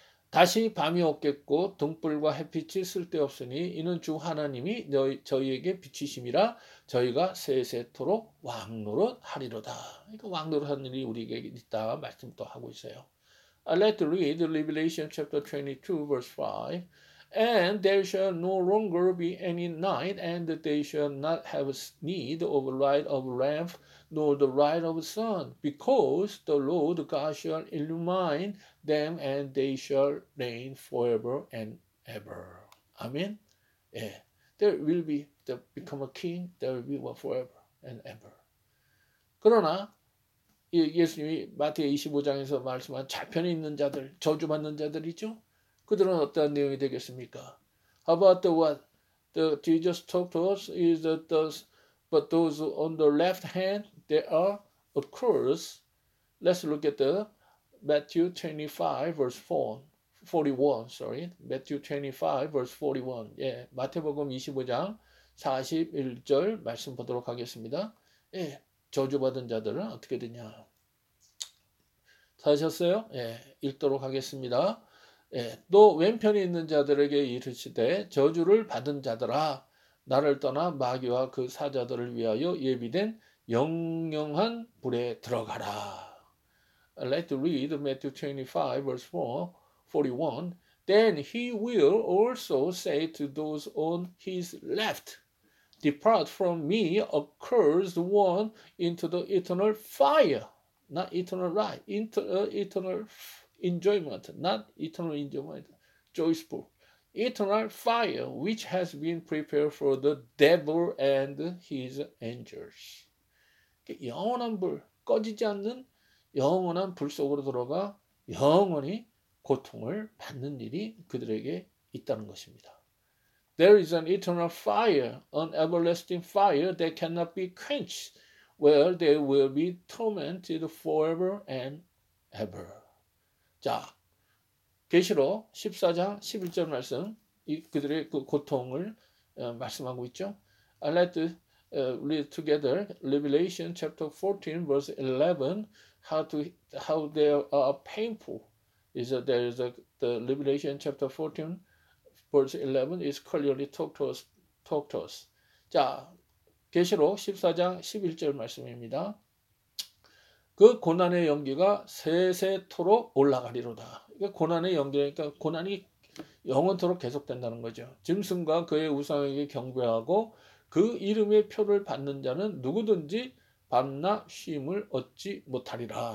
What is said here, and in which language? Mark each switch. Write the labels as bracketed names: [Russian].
[Korean] 다시 밤이 없겠고 등불과 햇빛이 쓸데없으니 이는 주 하나님이 저희에게 비치심이라 저희가 세세토록 왕노릇하리로다. 그러니까 왕노릇하는 일이 우리에게 있다 말씀도 하고 있어요. [English] I'd like to read Revelation chapter 22 verse 5. And there shall no longer be any night, and they shall not have need of light of lamp, nor the light of sun, because the Lord God shall illumine them, and they shall reign forever and ever. Amen. Yeah. There will be the become a king. There will be one forever and ever. [Korean] 그러나 예수님이 마태 25장에서 말씀한 자편에 있는 자들, 저주받는 자들이죠. 그들은 어떤 내용이 되겠습니까? [English] How about the what? The Jesus talked to us is that those, but those on the left hand, they are a curse. Let's look at the Matthew 25 verse 41. Sorry, Matthew 25 verse 41. [Korean] 예, 마태복음 25장 41절 말씀 보도록 하겠습니다. 예, 저주받은 자들은 어떻게 되냐? 찾으셨어요? 예, 읽도록 하겠습니다. 예, 또 왼편에 있는 자들에게 이르시되 저주를 받은 자들아 나를 떠나 마귀와 그 사자들을 위하여 예비된 영영한 불에 들어가라. [English] Let's read Matthew 25 verse 41. Then he will also say to those on his left, Depart from me, accursed one, into the eternal fire. Not eternal life, eternal enjoyment, not eternal enjoyment, joyful, eternal fire, which has been prepared for the devil and his angels. [Korean] 영원한 불, 꺼지지 않는 영원한 불 속으로 들어가 영원히 고통을 받는 일이 그들에게 있다는 것입니다. [English] There is an eternal fire, an everlasting fire that cannot be quenched, where they will be tormented forever and ever. [Korean] 자, 계시록 14장 11절 말씀, 이 그들의 그 고통을 말씀하고 있죠. [English] I'd like to read together Revelation chapter 14 verse 11, how they are painful. Is that there is the Revelation chapter 14 verse 11 is clearly talk to us. [Korean] 자, 계시록 14장 11절 말씀입니다. 그 고난의 연기가 세세토록 올라가리로다. 고난의 연기니까 고난이 영원토록 계속된다는 거죠. 짐승과 그의 우상에게 경배하고 그 이름의 표를 받는 자는 누구든지 밤낮 쉼을 얻지 못하리라.